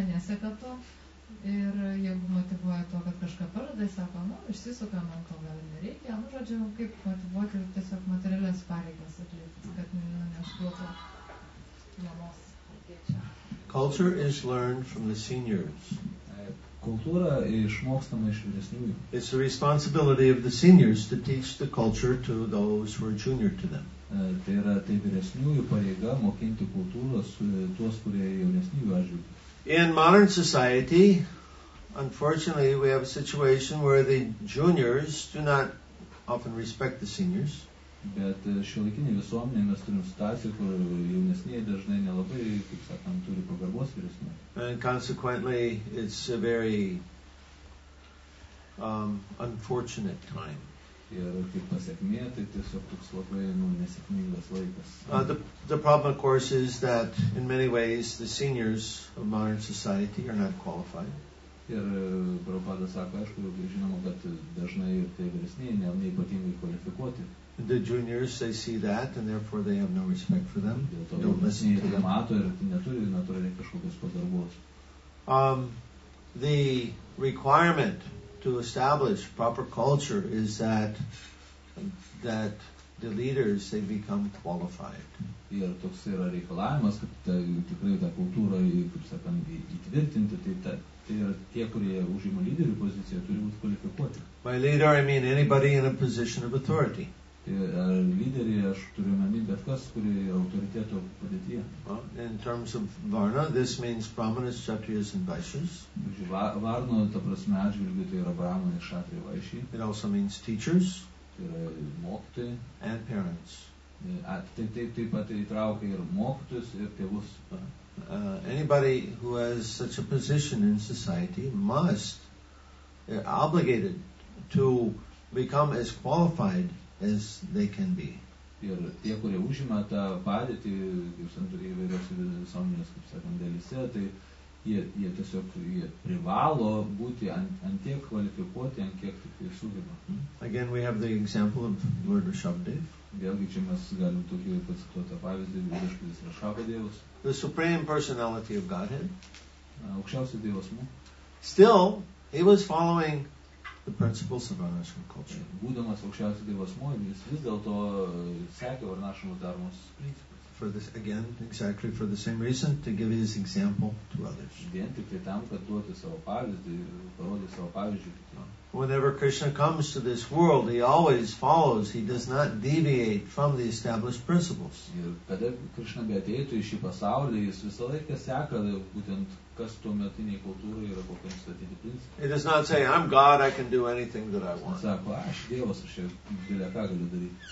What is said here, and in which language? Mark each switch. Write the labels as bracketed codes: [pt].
[lt] Satan, ir jeigu motyvuoja to, kad kažką pažadai, sako, nu, išsisuka, man to gal nereikia. Nu, žodžiu, kaip motyvuoti ir tiesiog materialias pareigas atlikti, kad neškuotų namos. [en] Culture is learned from the seniors. [lt] Kultūra išmokstama iš vyresniųjų. [en] It's the responsibility of the seniors to teach the culture to those who are junior to them. [lt] Tai yra tai vyresniųjų pareiga mokinti kultūros tuos, kurie jaunesniųjų atžvilgiu. [en] In modern society, unfortunately, we have a situation where the juniors do not often respect the seniors. [lt] Bet šiuolaikinėje visuomenėje mes turim situaciją, kur jaunesnieji dažnai nelabai, kaip sakant, turi pagarbos vyresniems. [en] And consequently, it's a very unfortunate time. [lt] Ir kaip pasekmė, tai tiesiog toks labai nesėkmingas laikas. [en] The problem, of course, is that in many ways the seniors of modern society are not qualified. [lt] Ir Prabhupada sako, aišku, žinoma, bet dažnai ir tie vyresnieji nėra ypatingai kvalifikuoti. [en] The juniors, they see that, and therefore they have no respect for them. Don't listen to them. The requirement to establish proper culture is that the leaders, they become qualified. [lt] Ir toks yra reikalavimas, kad tikrai tą kultūrą, kaip sakant, įtvirtinti, tai yra tie, kurie užima lyderių poziciją, turi būti kvalifikuoti. [en] By leader, I mean anybody in a position of authority. [lt] Lyderį aš turiu namį bet kas, kurie yra autoriteto padėtyje. [en] In terms of Varna, this means Brahmanas, Kshatriyas and Vaishyas. [lt] Varno, ta prasme, atžvilgiu, tai yra Brahmanai, Kshatriyai, Vaishyai. [en] It also means teachers. [lt] Tai yra mokytojai. [en] And parents. [lt] Taip pat įtraukia ir mokytojus, ir tėvus. [en] Anybody who has such a position in society must, obligated to become as qualified as they can be. [lt] Ir tie, kurie užima tą padėtį, kaip santūrį įvairiausių visuomenės, kaip sakant, dėlise, tai jie tiesiog jie privalo būti ant tiek kvalifikuoti, ant kiek tik jie sugeba. [en] Again, we have the example of Lord Rishabhadev. [lt] Vėlgi, čia mes galim tokį pacituotą pavyzdį, viešpatis Rishabhadevas. [en] The supreme personality of Godhead. [lt] Aukščiausio Dievo asmuo. [en] Still, he was following the principles of Varnashram culture. [lt] Būdamas aukščiausio Dievo asmuo, jis vis dėlto sekė Varnashramo dharmos principus. [en] for this, again, exactly for the same reason, to give his example to others. Whenever Krishna comes to this world, he always follows, he does not deviate from the established principles. He does not say, I'm God, I can do anything that I want.